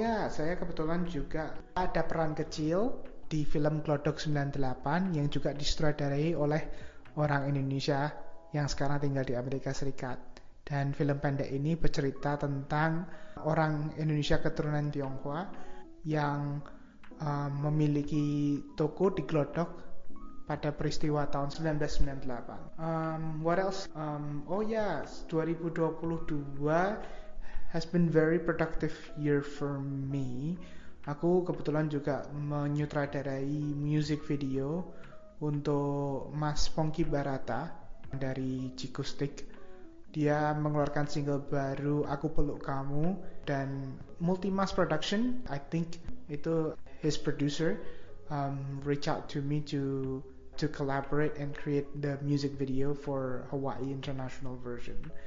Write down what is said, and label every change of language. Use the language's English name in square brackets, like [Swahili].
[Indonesian] Saya kebetulan juga ada peran kecil di film Glodok 98 yang juga disutradarai oleh orang Indonesia yang sekarang tinggal di Amerika Serikat. Dan film pendek ini bercerita tentang orang Indonesia keturunan Tionghoa yang memiliki toko di Glodok pada peristiwa tahun 1998. [English] What else? 2022 has been very productive year for me. [Indonesian] Aku kebetulan juga menyutradarai music video untuk Mas Pongki Barata dari Chicoustic. Dia mengeluarkan single baru [English] Aku Peluk Kamu dan Multi Mass Production, I think itu his producer reach out to me to collaborate and create the music video for Hawaii International version.